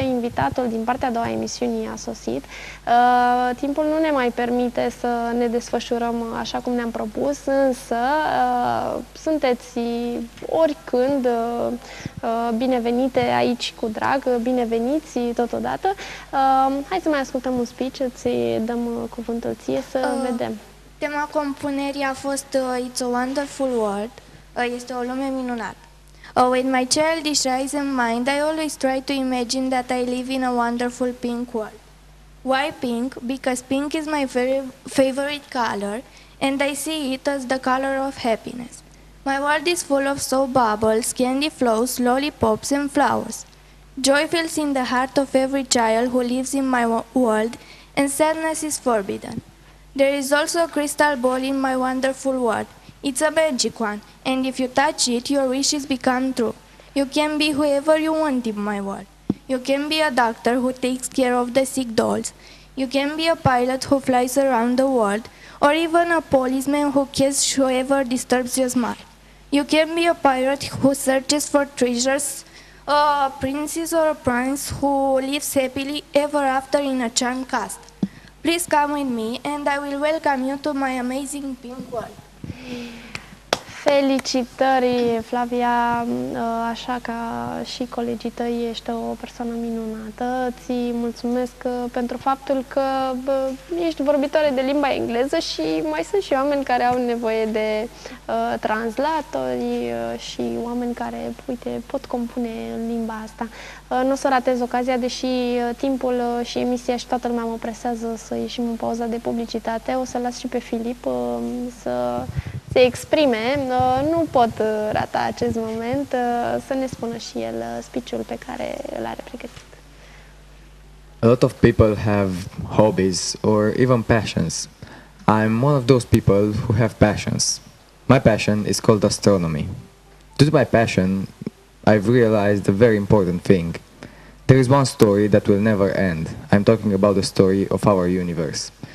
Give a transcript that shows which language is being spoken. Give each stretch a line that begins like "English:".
Romanian: Invitatul din partea a doua emisiunii a sosit. Timpul nu ne mai permite să ne desfășurăm așa cum ne-am propus, însă sunteți oricând binevenite aici cu drag, bineveniți totodată. Hai să mai ascultăm un speech, îți dăm cuvântul ție să vedem. Tema compunerii a fost
English: It's a Wonderful World,
Romanian: este o lume minunată.
English: With my childish eyes in mind, I always try to imagine that I live in a wonderful pink world. Why pink? Because pink is my very favorite color and I see it as the color of happiness. My world is full of soap bubbles, candy floss, lollipops and flowers. Joy fills in the heart of every child who lives in my world and sadness is forbidden. There is also a crystal ball in my wonderful world. It's a magic one and if you touch it, your wishes become true. You can be whoever you want in my world. You can be a doctor who takes care of the sick dolls. You can be a pilot who flies around the world or even a policeman who kisses whoever disturbs your smile. You can be a pirate who searches for treasures, a princess or a prince who lives happily ever after in a charmed castle. Please come with me and I will welcome you to my amazing pink world.
Romanian: Felicitări, Flavia, așa ca și colegii tăi, ești o persoană minunată. Ți mulțumesc pentru faptul că ești vorbitoare de limba engleză și mai sunt și oameni care au nevoie de translatori și oameni care, uite, pot compune în limba asta. Nu o să ratez ocazia, deși timpul și emisia și toată lumea mă presează să ieșim în pauza de publicitate. O să las și pe Filip să se exprime. Nu pot rata acest moment să ne spună și el speech-ul pe care îl are pregătit.
English: A lot of people have hobbies or even passions. I'm one of those people who have passions. My passion is called astronomy. Due to my passion, I've realized a very important thing. There is one story that will never end. I'm talking about the story of our universe.